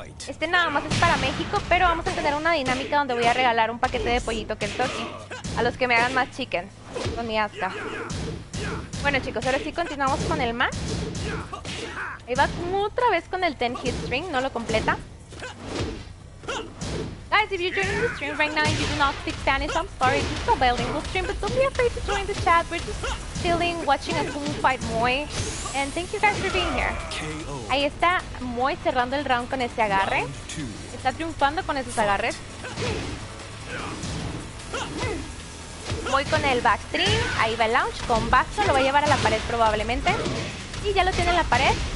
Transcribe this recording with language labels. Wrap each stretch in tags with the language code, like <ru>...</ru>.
<es>Este nada más es para México, pero vamos a tener una dinámica donde voy a regalar un paquete de pollito Kentucky a los que me hagan más chicken. Con mi asca. Bueno, chicos, ahora sí continuamos con el match. Ahí va otra vez con el 10 hit string, no lo completa.</es> <en>Guys, if you're joining the stream right now and you do not speak Spanish, I'm sorry, this is a bilingual stream, but don't be afraid to join the chat. We're just chilling, watching Akumu fight Moy. And thank you guys for being here.</en> <es>Ahí está Moy cerrando el round con ese agarre. Está triunfando con esos agarres. Moy con el back string. Ahí va el launch con Basto. Lo va a llevar a la pared probablemente. Y ya lo tiene en la pared.</es>